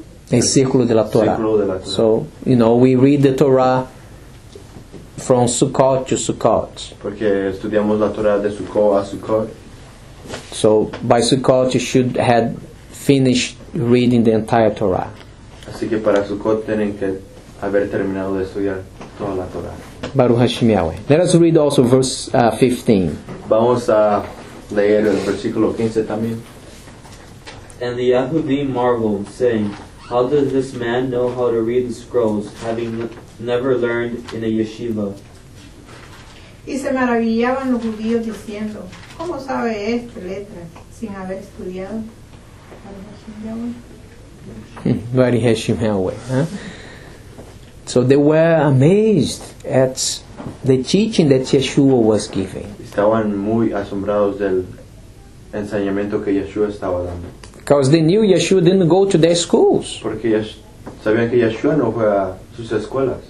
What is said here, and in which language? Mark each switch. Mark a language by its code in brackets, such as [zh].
[es] el círculo de la Torah. [en] So you know we read the Torah from Sukkot to Sukkot. [es] Porque estudiamos la Torah de Sukkot a Sukkot. [en] So by Sukkot you should have finished reading the entire Torah. [es] Así que para Sukkot tienen que haber terminado de estudiar toda la Torah. [he] Baruch Hashem Yahweh. [en] Let us read also verse 15. [es] Vamos a leer el versículo 15 también. [en] And the Yahudim marveled, saying, how does this man know how to read the scrolls, having never learned in a yeshiva? [es] Y se maravillaban los judíos diciendo, ¿cómo sabe esta letra sin haber estudiado? [he] Baruch Hashem Yahweh. [en] So they were amazed at the teaching that Yeshua was giving. [es] Estaban muy asombrados del enseñamiento que Yeshua estaba dando. [en] Because they knew Yeshua didn't go to their schools. [es] Porque sabían que Yeshua no fue a sus escuelas.